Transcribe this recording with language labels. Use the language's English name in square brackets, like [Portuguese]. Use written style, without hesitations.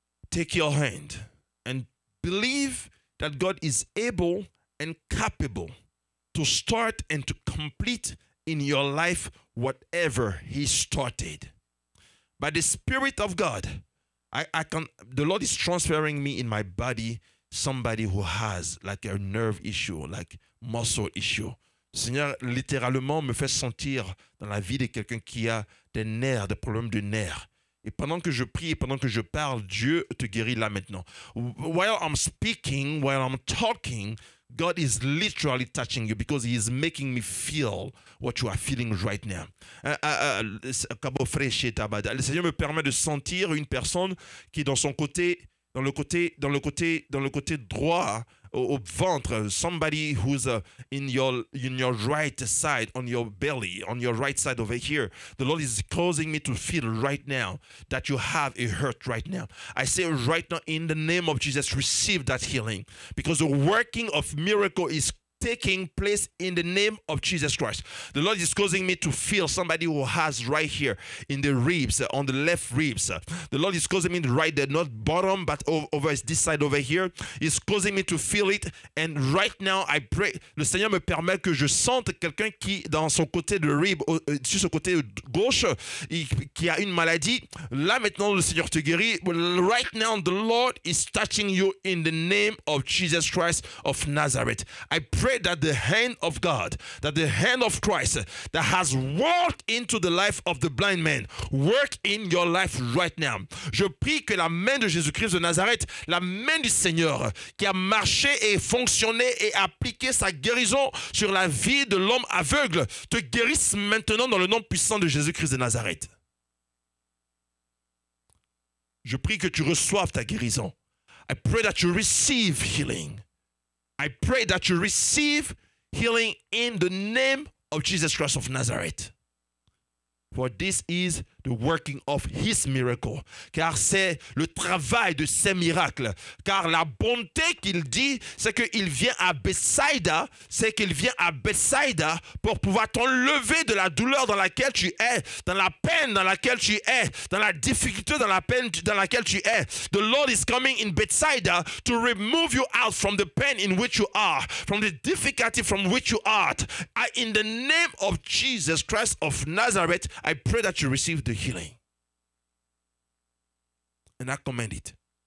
[English] Take your hand and believe that God is able and capable to start and to complete in your life whatever He started. By the Spirit of God, the Lord is transferring me in my body somebody who has like a nerve issue, like muscle issue. [French] Seigneur, littéralement, me fait sentir dans la vie de quelqu'un qui a des nerfs, des problèmes de nerfs. Et pendant que je prie, pendant que je parle, Dieu te guérit là maintenant. [English] While I'm speaking, while I'm talking, God is literally touching you because He is making me feel what you are feeling right now. [French] Le Seigneur me permet de sentir une personne qui est dans son côté, dans le côté droit, au ventre, [English] somebody who's in your right side, on your belly, on your right side over here. The Lord is causing me to feel right now that you have a hurt right now. I say right now, in the name of Jesus, receive that healing, because the working of miracle is taking place in the name of Jesus Christ. The Lord is causing me to feel somebody who has right here in the ribs, on the left ribs. The Lord is causing me right there, not bottom, but over this side over here. He's causing me to feel it. And right now, I pray. [French] Le Seigneur me permet que je sente quelqu'un qui, dans son côté de rib, sur ce côté gauche, qui a une maladie. Là maintenant, le Seigneur te guérit. [English] Right now, the Lord is touching you in the name of Jesus Christ of Nazareth. I pray that the hand of God, that the hand of Christ that has worked into the life of the blind man, work in your life right now. [French] Je prie que la main de Jésus-Christ de Nazareth, la main du Seigneur qui a marché et fonctionné et appliqué sa guérison sur la vie de l'homme aveugle, te guérisse maintenant dans le nom puissant de Jésus-Christ de Nazareth. Je prie que tu reçoives ta guérison. [English] I pray that you receive healing. [French] I pray that you receive healing in the name of Jesus Christ of Nazareth. [English] For this is the working of his miracle. [French] Car c'est le travail de ses miracles. Car la bonté qu'il dit, c'est qu'il vient à Bethsaida, c'est qu'il vient à Bethsaida pour pouvoir t'enlever de la douleur dans laquelle tu es, dans la peine dans laquelle tu es, dans la difficulté dans la peine dans laquelle tu es. [English] The Lord is coming in Bethsaida to remove you out from the pain in which you are, from the difficulty from which you are. In the name of Jesus Christ of Nazareth, I pray that you receive the healing. And I commend it.